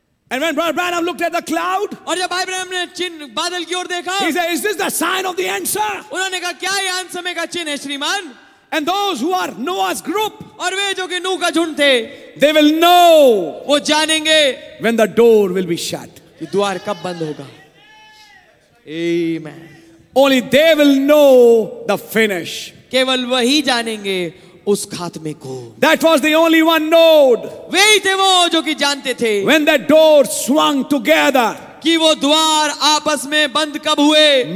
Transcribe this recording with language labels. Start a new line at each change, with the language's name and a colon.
English: And when Brother Branham looked at the cloud,
Hindi: और जब भाई ब्रैनम ने चिन्ह बादल की ओर देखा,
English: he said, "Is this the sign of the answer?"
Hindi: उन्होंने कहा, क्या ये अंत समय का चिन्ह है श्रीमान?
English: And those who are Noah's group,
Hindi: और वे जो कि नूह का झुंड थे,
English: they will know.
Hindi: वो जानेंगे.
English: When the door will be shut.
Hindi: द्वार कब बंद होगा? Amen.
English: Only they will know the finish.
Hindi: केवल वही जानेंगे उस खात्मे को.
English: That was the only one known.
Hindi: वे ही थे वो जो कि जानते थे.
English: When the door swung together.
Hindi: कि वो द्वार आपस में बंद कब हुए?